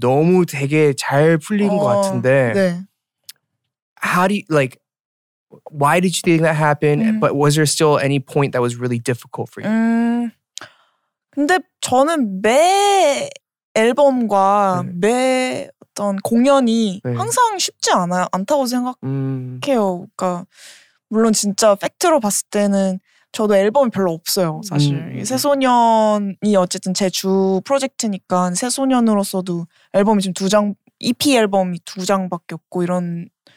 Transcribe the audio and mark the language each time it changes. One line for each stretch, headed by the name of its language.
Korean: 너무 되게 잘 풀린 것 같은데. 네.
English: How do you, like, why did you think that happened? But was there still any point that was really difficult for you?
Korean: 근데 저는 매 앨범과 매 어떤 공연이 항상 쉽지 않다고 생각해요. 그러니까 물론 진짜 팩트로 봤을 때는 저도 앨범이 별로 없어요, 사실. 새소년이 어쨌든 제 주 프로젝트니까 새소년으로서도 앨범이 지금 두 장, EP 앨범이 두 장밖에 없고 이런…